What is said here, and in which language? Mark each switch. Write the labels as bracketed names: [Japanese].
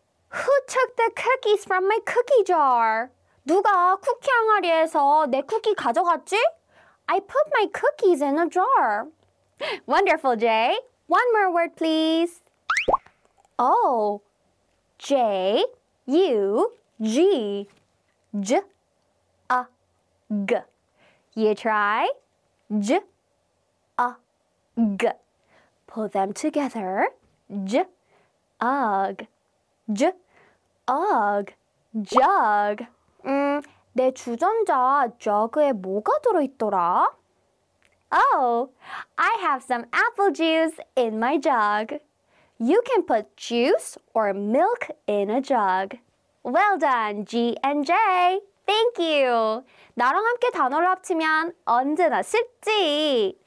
[English] Who took the cookies from my cookie jar? [Korean] 누가 쿠키 항아리에서 내 쿠키 가져갔지? [English] I put my cookies in a jar. Wonderful, Jay. One more word, please. Oh, J, U, G, J, A, G. You try? J, A, G. Put them together. J, ug. J, ug. Jug. [Korean] 내 주전자 저그에 뭐가 들어있더라? [English] Oh, I have some apple juice in my jug. You can put juice or milk in a jug. Well done, G and J. Thank you. [Korean] 나랑 함께 단어를 합치면 언제나 쉽지.